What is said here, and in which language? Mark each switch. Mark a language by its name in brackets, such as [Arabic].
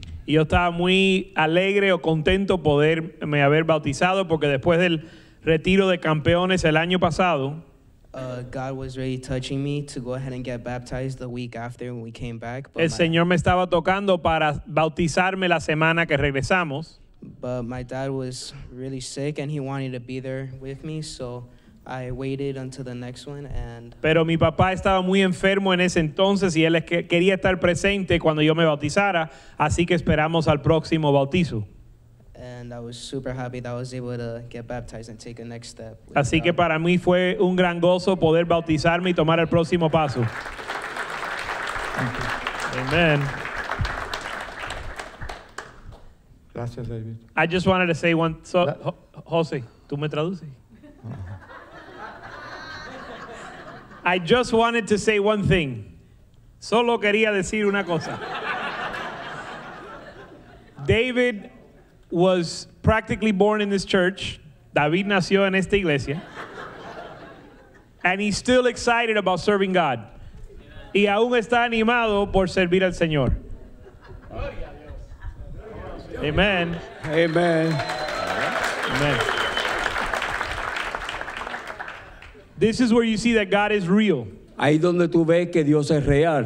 [Spanish] Yo estaba muy alegre o contento poderme haber bautizado porque después del retiro de campeones el año pasado, [English] God was really touching me to go ahead and get baptized the week after when we came back. [Spanish] But el Señor me estaba tocando para bautizarme la semana que regresamos. [English] But my dad was really sick and he wanted to be there with me, so I waited until the next one and. [Spanish] Pero mi papá estaba muy enfermo en ese entonces y él quería estar presente cuando yo me bautizara, así que esperamos al próximo bautizo. [English] And I was super happy that I was able to get baptized and take a next step. [Spanish] Así que para mí fue un gran gozo poder bautizarme y tomar el próximo paso. Amen. Gracias, David. [English] I just wanted to say one. So, Jose, [Spanish] ¿tú me traduces? [English] I just wanted to say one thing. [Spanish] Solo quería decir una cosa. [English] David was practically born in this church. [Spanish] David nació en esta iglesia. [English] And he's still excited about serving God. [Spanish] Y aún está animado por servir al Señor. Amen. Amen. Amen. [English] This is where you see that God is real. [Spanish] Ahí donde tú ves que Dios es real.